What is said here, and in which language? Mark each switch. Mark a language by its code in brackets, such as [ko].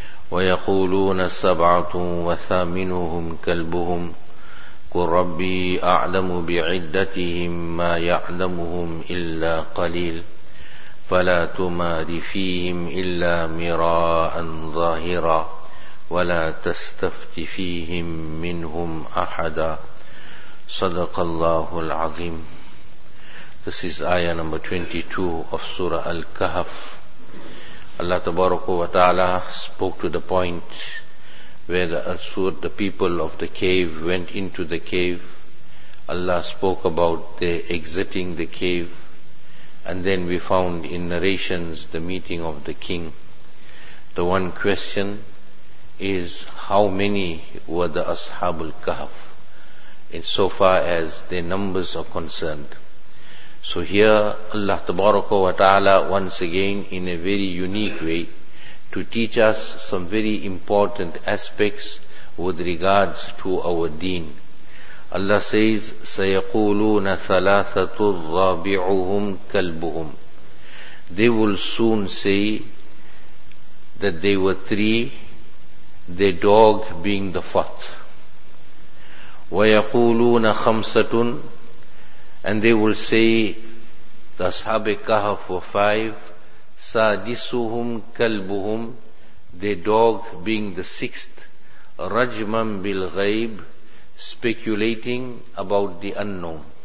[ar] ويقولون سبعة وثامنهم كلبهم قل ربي أعلم بعدتهم ما يعلمهم إلا قليل فلا تمار فيهم إلا مراء ظاهرا ولا تستفت فيهم منهم أحدا صدق الله العظيم. [en] This is ayah number 22 of Surah Al-Kahf. Allah Tabaraka wa Ta'ala spoke to the point where the people of the cave went into the cave. Allah spoke about their exiting the cave. And then we found in narrations the meeting of the king. The one question is, how many were the Ashab al-Kahf in so far as their numbers are concerned? So here Allah Tabaraka wa Ta'ala once again in a very unique way to teach us some very important aspects with regards to our deen. Allah says, [ar] سَيَقُولُونَ ثَلَاثَةُ الرَّابِعُهُمْ كَلْبُهُمْ. [en] They will soon say that they were three, their dog being the fourth. [ar] وَيَقُولُونَ خَمْسَةٌ, [en] and they will say, the Ashab al-Kahf were five, [ar] سَادِسُهُمْ كَلْبُهُمْ, [en] their dog being the sixth, [ar] رَجْمًا بِالْغَيْبِ, [en] speculating about the unknown.